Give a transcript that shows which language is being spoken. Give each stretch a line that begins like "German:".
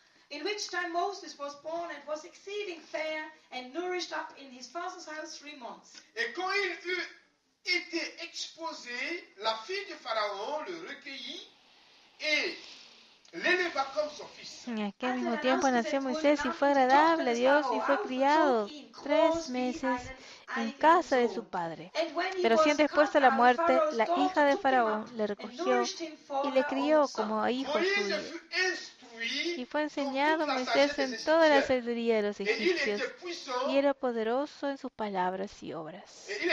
English: In which time Moses was born and was exceeding fair and nourished up in his father's house 3 months.
French: Et quand il eut été exposé, la fille de Pharaon le recueillit et l'éleva comme son fils.
Spanish: En aquel mismo tiempo nació Moisés y fue agradable a Dios y fue criado 3 meses en casa de su padre. Pero siendo expuesto a la muerte, la hija de Faraón le recogió y le crió como hijo suyo. Y fue enseñado Moisés en toda la sabiduría de los egipcios, y era poderoso en sus palabras y obras.